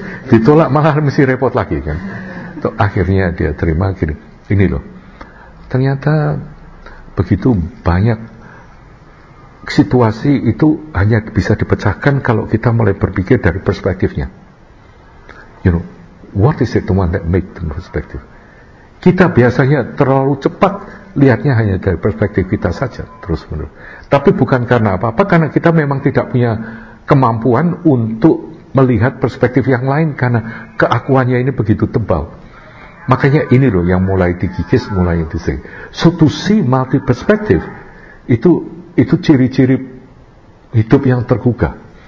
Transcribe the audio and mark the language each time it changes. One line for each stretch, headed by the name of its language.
Indonesian: Ditolak malah mesti repot lagi kan. Tuh, akhirnya dia terima gini. Ini loh. Ternyata begitu banyak situasi itu hanya bisa dipecahkan kalau kita mulai berpikir dari perspektifnya.
English: You know, what is it the one that make the perspective?
Indonesian: Kita biasanya terlalu cepat lihatnya hanya dari perspektif kita saja, terus menerus. Tapi bukan karena apa-apa, karena kita memang tidak punya kemampuan untuk melihat perspektif yang lain karena keakuannya ini begitu tebal. Makanya ini loh yang mulai dikikis, mulai disini.
English: So to see multi perspective,
Indonesian: itu ciri-ciri hidup yang terbuka.